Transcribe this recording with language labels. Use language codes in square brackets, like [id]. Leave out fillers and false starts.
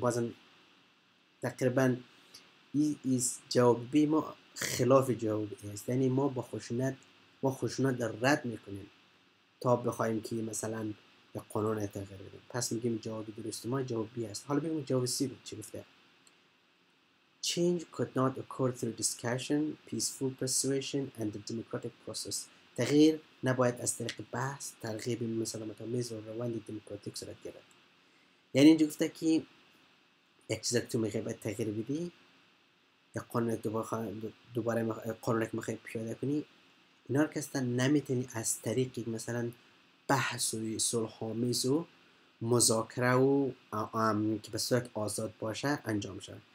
[fa] بازم تقریبا این جواب بی ما خلاف جواب ای است. یعنی ما با خشونت را رد میکنیم تا بخواهیم که مثلا یک قانون تغییر بدیم. پس میگیم جواب درست ما جواب بی است. حالا ببینیم جواب سی بود چی گفته. [en] Change could not occur through discussion, peaceful persuasion and the democratic process. [fa] تغییر نباید از طریق بحث، ترغیب مسالمت آمیز و روند دموکراتیک صورت گیرد. یعنی اینجا گفته که یک چیز تو میخوای باید تغییر بدی، یک قانون دوباره میخوای پیاده کنی، اینا رو که اصلا نمیتونی از طریق مثلا بحث و صلح آمیز و مذاکره و که به صورت آزاد باشه انجام شه.